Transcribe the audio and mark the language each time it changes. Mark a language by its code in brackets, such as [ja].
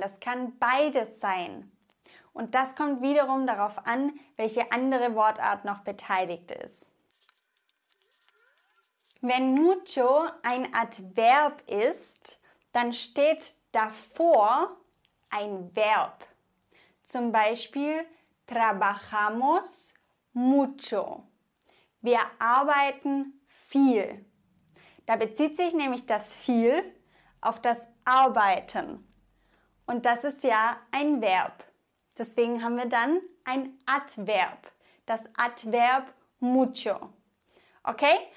[de] Das kann beides sein. Und das kommt wiederum darauf an, welche andere Wortart noch beteiligt ist. Wenn mucho ein Adverb ist, dann steht davor ein Verb. Zum Beispiel, [es] trabajamos mucho. [de] Wir arbeiten viel. Da bezieht sich nämlich das viel auf das Arbeiten. Und das ist ja ein Verb. Deswegen haben wir dann ein Adverb. Das Adverb mucho. Okay?